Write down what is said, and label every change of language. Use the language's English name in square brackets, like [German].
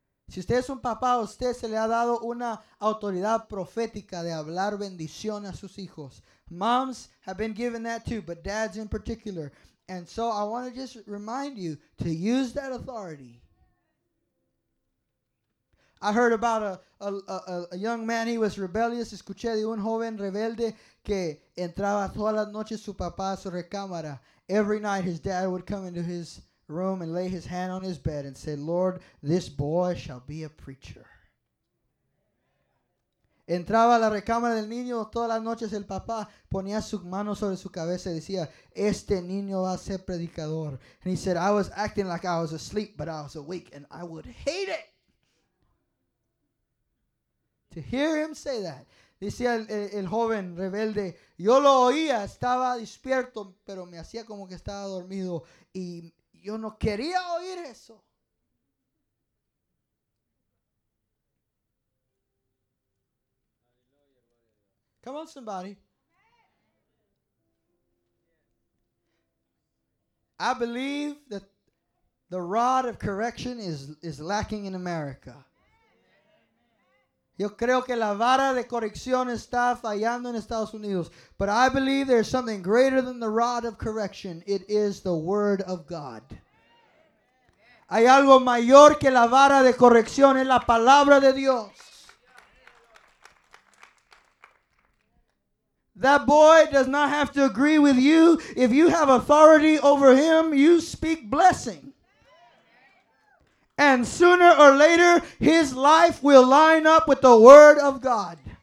[Spanish] Si usted es un papá, usted se le ha dado una autoridad profética de hablar bendición a sus hijos. [English] Moms have been given that too, but dads in particular. And so I want to just remind you to use that authority. I heard about a young man, he was rebellious. [Spanish] Escuché de un joven rebelde que entraba todas las noches su papá a su recámara. [English] Every night his dad would come into his room and lay his hand on his bed and say, Lord, this boy shall be a preacher. [Spanish] Entraba a la recámara del niño todas las noches, el papá ponía su mano sobre su cabeza y decía, este niño va a ser predicador. [English] And he said, I was acting like I was asleep, but I was awake, and I would hate it to hear him say that. [Spanish] Decía el joven rebelde, yo lo oía, estaba despierto, pero me hacía como que estaba dormido, y yo no quería oír eso. [English] Come on, somebody. I believe that the rod of correction is lacking in America. [Spanish] Yo creo que la vara de corrección está fallando en Estados Unidos. [English] But I believe there's something greater than the rod of correction. It is the word of God. [Spanish] Hay algo mayor que la vara de corrección, es la palabra de Dios. [English] That boy does not have to agree with you. If you have authority over him, you speak blessing. And sooner or later, his life will line up with the word of God.